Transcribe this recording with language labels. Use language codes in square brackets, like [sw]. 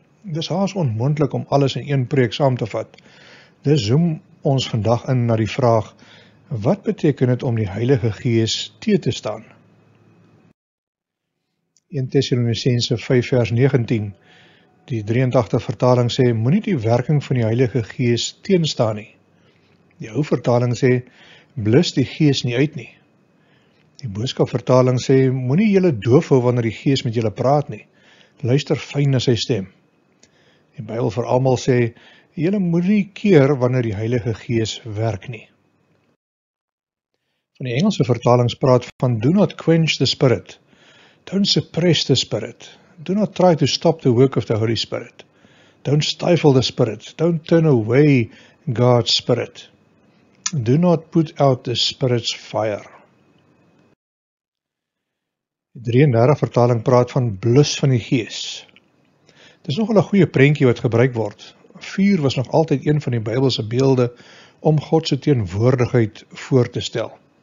[af] Dis haas onmoontlik om alles in een preek saam te vat. Dis zoom ons vandag in na die vraag, wat beteken het om die Heilige Gees teë te staan? 1 Tessalonisense 5 vers 19, die 83 vertaling sê, moenie die werking van die Heilige Gees teenstaan nie. Die ou vertaling sê, blus die Gees nie uit nie. Die boodskap vertaling sê, moenie julle doof hou wanneer die Gees met julle praat nie, luister fyn na sy stem. Die Bybel vir almal sê, julle moenie keer wanneer die Heilige Gees werk nie. Van die Engelse vertaling praat van [en] do not quench the spirit. Don't suppress the spirit. Do not try to stop the work of the Holy Spirit. Don't stifle the spirit. Don't turn away God's spirit. Do not put out the spirit's fire. [af] Die 33 vertaling praat van blus van die gees. Dit is nogal 'n goeie prentjie wat gebruik word. Vuur was nog altyd een van die Bybelse beelde om God se teenwoordigheid voor te stel.